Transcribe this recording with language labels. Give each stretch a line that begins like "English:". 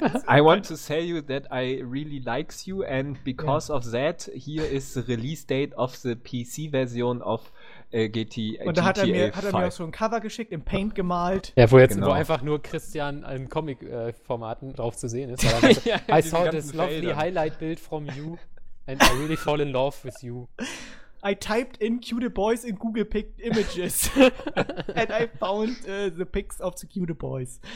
English: I want to say you that I really likes you and because of that, here is the release date of the PC version of GTA 5.
German: Und da hat er mir auch so ein Cover geschickt, im Paint gemalt. Ja, wo jetzt nur einfach nur Christian in Comic-Formaten drauf zu sehen ist. Aber
English: I saw this lovely Highlight-Bild from you and I really fall in love with you. I typed in cute boys in Google picked images. And I found the pics of the cute boys.